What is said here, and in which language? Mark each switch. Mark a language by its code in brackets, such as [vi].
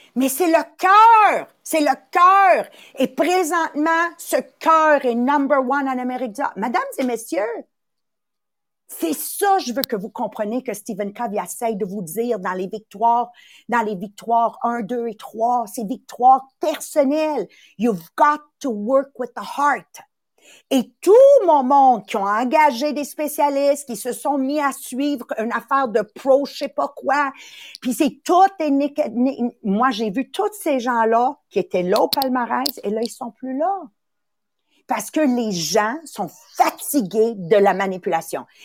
[fr] Mais c'est le cœur. C'est le cœur. Et présentement, ce cœur est [en] number one [fr] en Amérique du Nord. Mesdames et messieurs, c'est ça, je veux que vous compreniez que Stephen Covey essaye de vous dire dans les victoires 1, 2 et 3, ces victoires personnelles. [en] You've got to work with the heart. [fr] Et tout mon monde qui ont engagé des spécialistes, qui se sont mis à suivre une affaire de pro, je sais pas quoi, puis c'est tout, moi j'ai vu tous ces gens-là qui étaient là au palmarès et là ils sont plus là. parce que les gens sont fatigués de la manipulation.